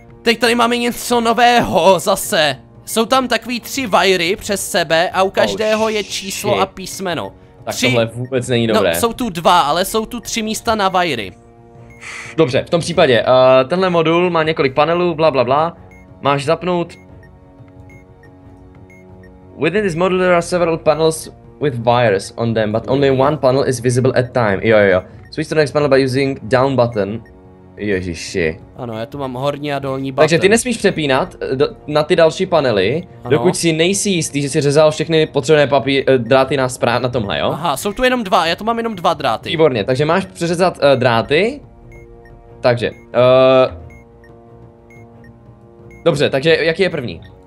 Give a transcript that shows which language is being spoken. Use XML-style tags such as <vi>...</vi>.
<cs>Teď tady máme něco nového zase. Jsou tam takový tři vajry přes sebe a u každého je číslo a písmeno. Tak tři... tohle vůbec není dobré. No, jsou tu dva, ale jsou tu tři místa na vajry. Dobře, v tom případě, tenhle modul má několik panelů, blablabla. Máš zapnout...</cs> <en>Within this module there are several panels with wires on them, but only one panel is visible at time. Jo. Switch to the next panel by using down button.</en> <cs>Ježiši. Ano, já tu mám horní a dolní button. Takže ty nesmíš přepínat na ty další panely, ano. Dokud si nejsi jistý, že jsi řezal všechny potřebné dráty na správně na tomhle, jo? Aha, jsou tu jenom dva, já tu mám jenom dva dráty. Výborně, takže máš přeřezat dráty. Takže, dobře, takže jaký je první?</cs>